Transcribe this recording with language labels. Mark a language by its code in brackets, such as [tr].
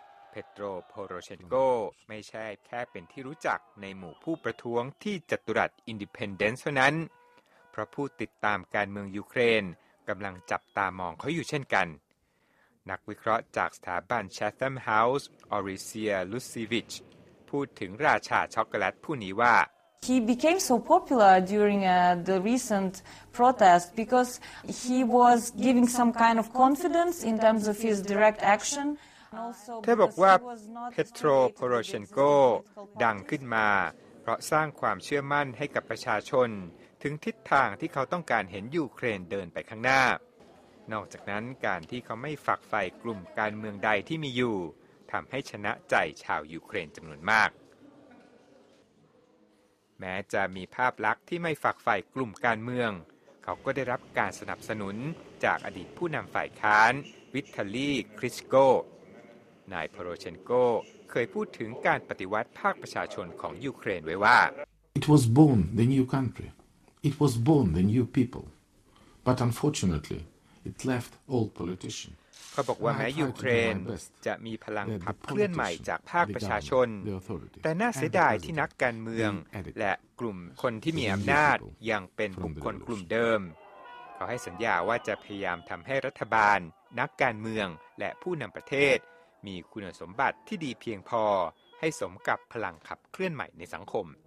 [th] เปโตรโพโรเชนโกไม่ใช่แค่เป็นที่รู้จักในหมู่ผู้ประท้วงที่จัตุรัสอินดิเพนเดนซ์เท่านั้นเพราะผู้ติดตามการเมืองยูเครนกำลังจับตามองเขาอยู่เช่นกันนักวิเคราะห์จากสถาบันแชทแฮมเฮาส์ออริเซียลุซิวิชพูดถึงราชาช็อกโกแลตผู้นี้ว่า [en] He became so popular during the recent protest because he was giving some kind of confidence in terms of his direct action [th] เธอบอกว่าเปโตรโพโรเชนโกดังขึ้นมาเพราะสร้างความเชื่อมั่นให้กับประชาชนถึงทิศทางที่เขาต้องการเห็นยูเครนเดินไปข้างหน้านอกจากนั้นการที่เขาไม่ฝักใฝ่กลุ่มการเมืองใดที่มีอยู่ทำให้ชนะใจชาวยูเครนจำนวนมาก แม้จะมีภาพลักษณ์ที่ไม่ฝักใฝ่กลุ่มการเมืองเขาก็ได้รับการสนับสนุนจากอดีตผู้นำฝ่ายค้านวิทาลีคริชโกนายโพโรเชนโกเคยพูดถึงการปฏิวัติภาคประชาชนของยูเครนไว้ว่า [en] It was born the new country. It was born the new people. But unfortunately, it left old politicians. [th] เขาบอกว่าแม้ยูเครนจะมีพลังขับเคลื่อนใหม่จากภาคประชาชนแต่น่าเสียดายที่นักการเมืองและกลุ่มคนที่มีอำนาจยังเป็นบุคคลกลุ่มเดิมเขาให้สัญญาว่าจะพยายามทำให้รัฐบาลนักการเมืองและผู้นำประเทศมีคุณสมบัติที่ดีเพียงพอให้สมกับพลังขับเคลื่อนใหม่ในสังคม